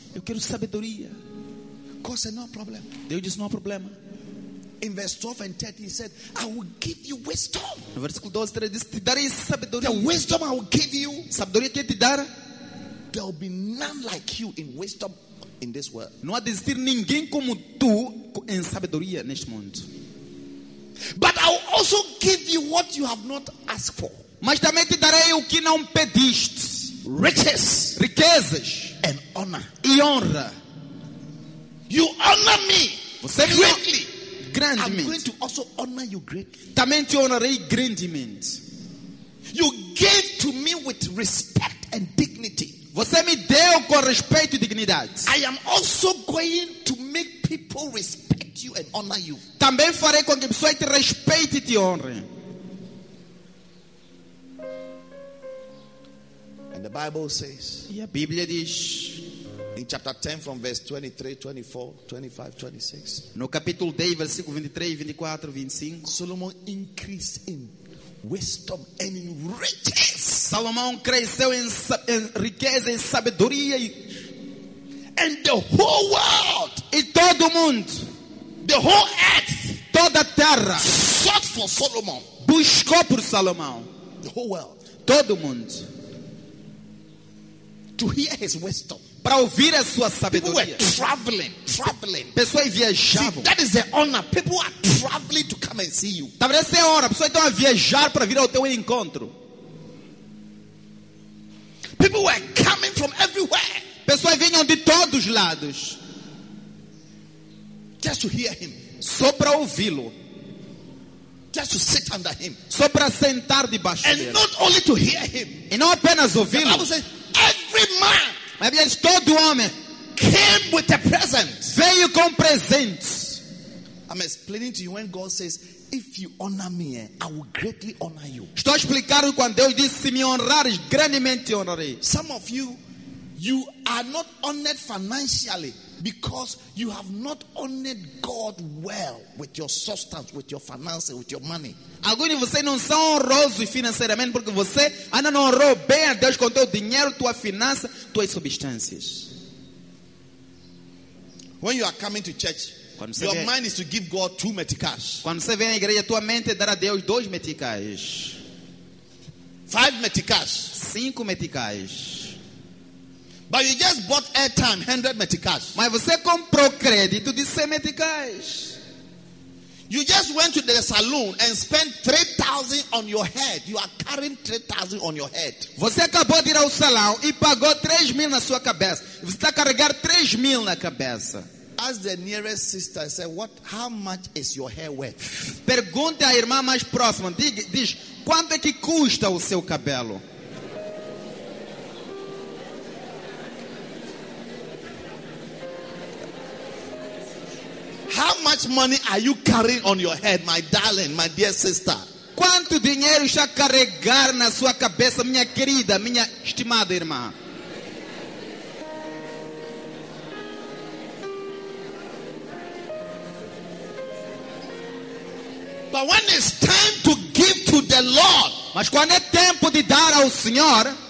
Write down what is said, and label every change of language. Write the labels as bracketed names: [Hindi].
[Portuguese] Eu quero sabedoria. [English] God said, no problem. [Portuguese] Deus disse, não há problema. [English] In verse 12 and 13 he said, I will give you wisdom. [Portuguese] No versículo 12 e 13 diz, te darei sabedoria. [English] The wisdom I will give you. [Portuguese] Sabedoria que te dar. [English] There will be none like you in wisdom in this world. [Portuguese] Não há de existir ninguém como tu em sabedoria neste mundo. [English] But I will also give you what you have not asked for. [Portuguese] Mas também te darei o que não pediste. [English] Riches. [Portuguese] Riquezas. [English] And honor. [Portuguese] E honra. [English] You honor me. [Portuguese] Você [English] greatly. [Portuguese] Grandemente. [English] I'm going to also honor you greatly. [Portuguese] Também te honrarei grandemente. [English] You gave to me with respect and dignity. [Portuguese] Você me deu com respeito e dignidade. [English] I am also going to make people respect you and honor you. [Portuguese] Também farei com que pessoas te respeitem e te honrem. [English] And the Bible says. [Portuguese] E a Bíblia diz. [English] In chapter 10 from verse 23, 24, 25, 26. [Portuguese] No capítulo 10, versículo 23, 24, 25. [English] Solomon increased in wisdom and in riches. [Portuguese] Salomão cresceu em riqueza e sabedoria. [English] And the whole world. [Portuguese] E todo mundo. [English] The whole earth. [Portuguese] Toda terra. [English] Sought for Solomon. [Portuguese] Buscou por Salomão. [English] The whole world. [Portuguese] Todo mundo. [English] To hear his wisdom. [Portuguese] Para ouvir a sua sabedoria. [English] People were traveling. [Portuguese] Pessoas viajavam. [English] See, that is the honor. People are traveling to come and see you. [Portuguese] Talvez seja a hora. Pessoas estão a viajar para vir ao teu encontro. [English] People were coming from everywhere. [Portuguese] Pessoas vinham de todos os lados. [English] Just to hear him. [Portuguese] Só para ouvi-lo. [English] Just to sit under him. [Portuguese] Só para sentar debaixo [English] dele. And not only to hear him. [Portuguese] E não apenas ouvi-lo. [English] But I would say, every man. Maybe it's [Portuguese] todo homem. [English] Came with a present. [Portuguese] Veio com presente. [English] I'm explaining to you when God says, if you honor me, I will greatly honor you. [Portuguese] Estou a explicar quando Deus diz, se me honrares, grandemente honrarei. [English] Some of you are not honored financially because you have not honored God well with your substance, with your finances, with your money. [Portuguese] Alguns de vocês não são honrosos financeiramente porque você ainda não honrou bem a Deus com teu dinheiro, tua finança, tuas substâncias. [English] When you are coming to church, your mind is to give God 2 meticais. [Portuguese] Quando você vem à igreja, tua mente é dar a Deus 2 meticais. [English] 5 meticais. [Portuguese] 5 meticais. [English] But you just bought airtime, 100 meticais. [Portuguese] Mas você comprou crédito de 100 meticais. [English] You just went to the saloon and spent 3,000 on your head. You are carrying 3,000 on your head. [Portuguese] Você acabou de ir ao salão e pagou 3 mil na sua cabeça. Você está carregando 3 mil na cabeça. [English] Ask the nearest sister and say, "What? How much is your hair worth?" [Portuguese] Pergunte à irmã mais próxima. Diz, quanto é que custa o seu cabelo? [English] How much money are you carrying on your head, my darling, my dear sister? [Portuguese] Quanto dinheiro está carregar na sua cabeça, minha querida, minha estimada irmã? [English] But when it's time to give to the Lord, [Portuguese] mas quando é tempo de dar ao Senhor,